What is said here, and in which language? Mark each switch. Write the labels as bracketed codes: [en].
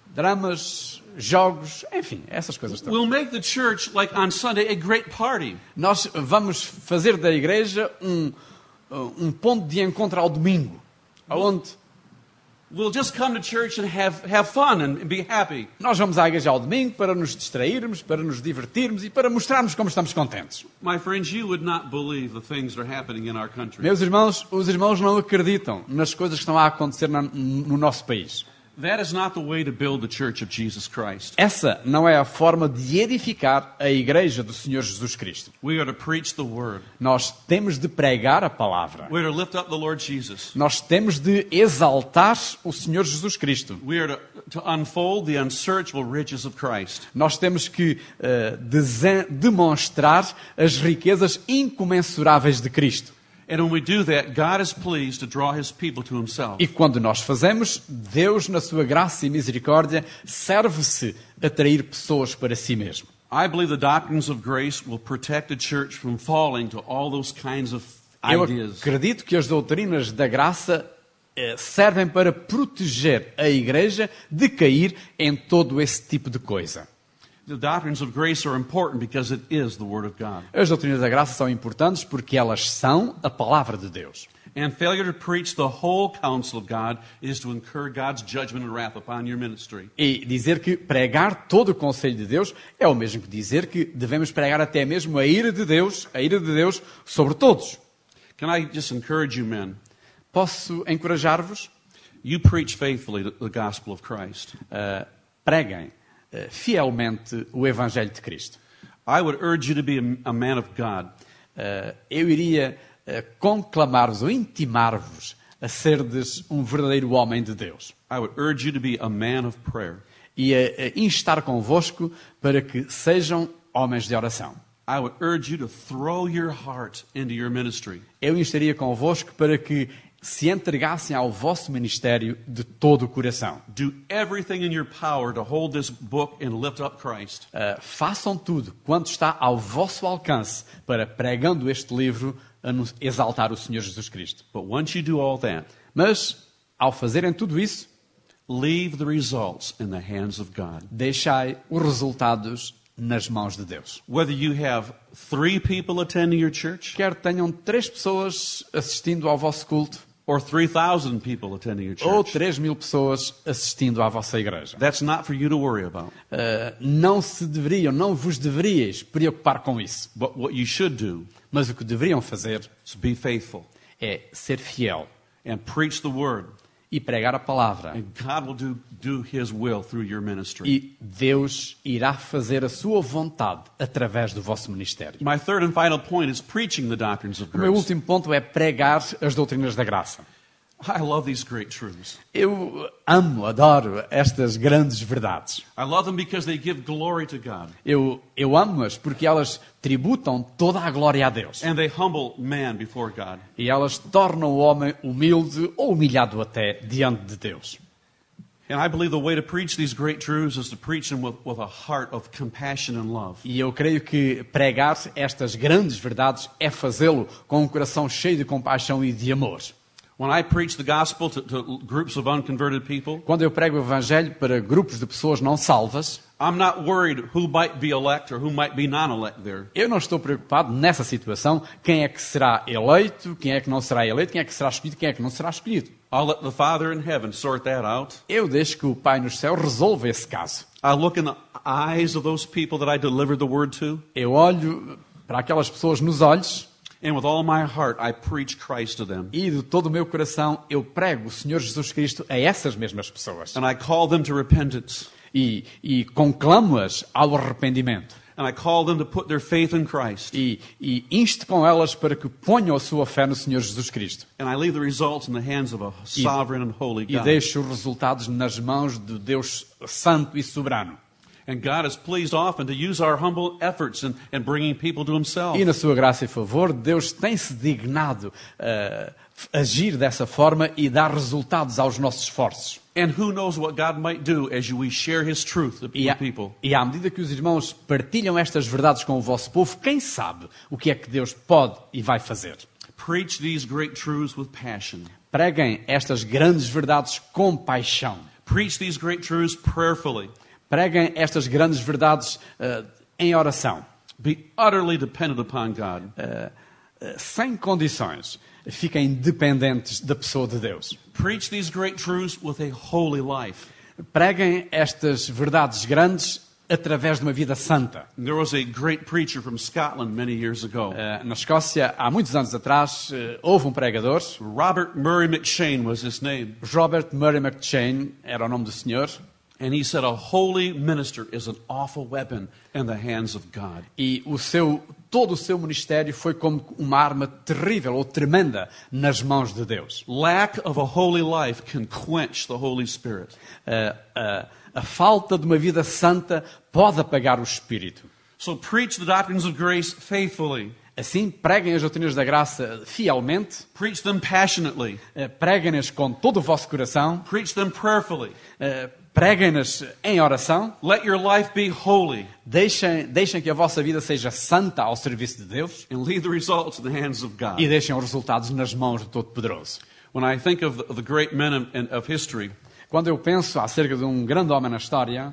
[pt] dramas, jogos, enfim, essas coisas todas. [en] We'll make the church, like on Sunday, a great party. [pt] Nós vamos fazer da igreja um ponto de encontro ao domingo. Aonde? [en] We'll just come to church and have fun and be happy. [pt] Nós vamos à igreja ao domingo para nos distrairmos, para nos divertirmos e para mostrarmos como estamos contentes. [en] My friends, you would not believe the things that are happening in our country. [pt] Meus irmãos, os irmãos não acreditam nas coisas que estão a acontecer no nosso país. [en] That is not the way to build the church of Jesus Christ. [pt] Essa não é a forma de edificar a igreja do Senhor Jesus Cristo. [en] We are to preach the word. [pt] Nós temos de pregar a palavra. [en] We are to lift up the Lord Jesus. [pt] Nós temos de exaltar o Senhor Jesus Cristo. [en] We are to unfold the unsearchable riches of Christ. [pt] Nós temos que demonstrar as riquezas incomensuráveis de Cristo. [en] And when we do that, God is pleased to draw his people to himself. [pt] E quando nós fazemos, Deus na sua graça e misericórdia serve-se a atrair pessoas para si mesmo. [en] I believe the doctrines of grace will protect the church from falling to all those kinds of ideas. [pt] Eu acredito que as doutrinas da graça servem para proteger a igreja de cair em todo esse tipo de coisa. [en] The doctrines of grace are important because it is the word of God. [pt] As doutrinas da graça são importantes porque elas são a palavra de Deus. [en] And failure to preach the whole counsel of God is to incur God's judgment and wrath upon your ministry. [pt] E dizer que pregar todo o conselho de Deus é o mesmo que dizer que devemos pregar até mesmo a ira de Deus sobre todos. [en] Can I just encourage you, men? [pt] Posso encorajar-vos? [en] You preach faithfully the gospel of Christ. [pt] Preguem fielmente o Evangelho de Cristo. [en] I would urge you to be a man of God. [pt] Eu iria conclamar-vos ou intimar-vos a serdes um verdadeiro homem de Deus. [en] I would urge you to be a man of prayer. [pt] E a instar convosco para que sejam homens de oração. [en] I would urge you to throw your heart into your ministry. [pt] Eu instaria convosco para que se entregassem ao vosso ministério de todo o coração. [en] Do everything in your power to hold this book and lift up Christ. [pt] Façam tudo quanto está ao vosso alcance para, pregando este livro, exaltar o Senhor Jesus Cristo. [en] But once you do all that, [pt] mas ao fazerem tudo isso, [en] leave the results in the hands of God. [pt] Deixai os resultados nas mãos de Deus. [en] Whether you have 3 people attending your church, [pt] quer tenham 3 pessoas assistindo ao vosso culto, [en] or 3,000 people attending your church, [pt] ou 3,000 pessoas assistindo à vossa igreja, [en] that's not for you to worry about. [pt] Não vos deveríeis preocupar com isso. [en] But what you should do, [pt] mas o que deveriam fazer, [en] is be faithful, [pt] é ser fiel, [en] and preach the word, [pt] e pregar a palavra. [en] And God will do his will through your ministry. [pt] E Deus irá fazer a sua vontade através do vosso ministério. [en] My third and final point is preaching the doctrines of grace. [pt] O meu último ponto é pregar as doutrinas da graça. [en] I love these great truths. [pt] Eu adoro estas grandes verdades. [en] I love them because they give glory to God. [pt] Eu amo-as porque elas tributam toda a glória a Deus. [en] And they humble man before God. [pt] E elas tornam o homem humilde ou humilhado até diante de Deus. [en] And I believe the way to preach these great truths is to preach them with a heart of compassion and love. [pt] E eu creio que pregar estas grandes verdades é fazê-lo com um coração cheio de compaixão e de amor. [en] When I preach the gospel to groups of unconverted people, [pt] quando eu prego o evangelho para grupos de pessoas não salvas, [en] I'm not worried who might be elect or who might be non-elect there. [pt] Eu não estou preocupado nessa situação, quem é que será eleito, quem é que não será eleito, quem é que será escolhido, quem é que não será escolhido. [en] I'll let the Father in heaven sort that out. [pt] Eu deixo que o Pai no céu resolva esse caso. [en] I look in the eyes of those people that I deliver the word to. [pt] Eu olho para aquelas pessoas nos olhos. [en] And with all my heart, I preach Christ to them. [pt] E de todo o meu coração, eu prego o Senhor Jesus Cristo a essas mesmas pessoas. [en] And I call them to repentance. [pt] E conclamo-as ao arrependimento. [en] And I call them to put their faith in Christ. [pt] E insto com elas para que ponham a sua fé no Senhor Jesus Cristo. [en] And I leave the results in the hands of a sovereign and holy God. [pt] E deixo os resultados nas mãos de Deus Santo e Soberano. [en] And God is pleased often to use our humble efforts in bringing people to himself. [pt] E na sua graça e favor, Deus tem-se dignado agir dessa forma e dar resultados aos nossos esforços. [en] And who knows what God might do as we share his truth with people. [pt] E à medida que os irmãos partilham estas verdades com o vosso povo, quem sabe o que é que Deus pode e vai fazer. [en] Preach these great truths with passion. [pt] Preguem estas grandes verdades com paixão. [en] Preach these great truths prayerfully. [pt] Preguem estas grandes verdades em oração. [en] Be utterly dependent upon God. [pt] Sem condições. Fiquem dependentes da pessoa de Deus. [en] Preach these great truths with a holy life. [pt] Preguem estas verdades grandes através de uma vida santa. [en] There was a great preacher from Scotland many years ago. [pt] Na Escócia, há muitos anos atrás, houve um pregador. [en] Robert Murray McShane was his name. [pt] Robert Murray McShane era o nome do senhor. [en] And he said a holy minister is an awful weapon in the hands of God. [pt] E todo o seu ministério foi como uma arma terrível ou tremenda nas mãos de Deus. [en] Lack of a holy life can quench the Holy Spirit. [pt] A falta de uma vida santa pode apagar o Espírito. [en] So preach the doctrines of grace faithfully. [pt] Assim, preguem as doutrinas da graça fielmente. [en] Preach them passionately. [pt] Preguem-nas com todo o vosso coração. [en] Preach them prayerfully. [pt] Preguem-nas em oração. [en] Let your life be holy. [pt] Deixem que a vossa vida seja santa ao serviço de Deus. [en] And leave the results in the hands of God. [pt] E deixem os resultados nas mãos do Todo-Poderoso. [en] When I think of the great men of history, [pt] quando eu penso acerca de um grande homem na história,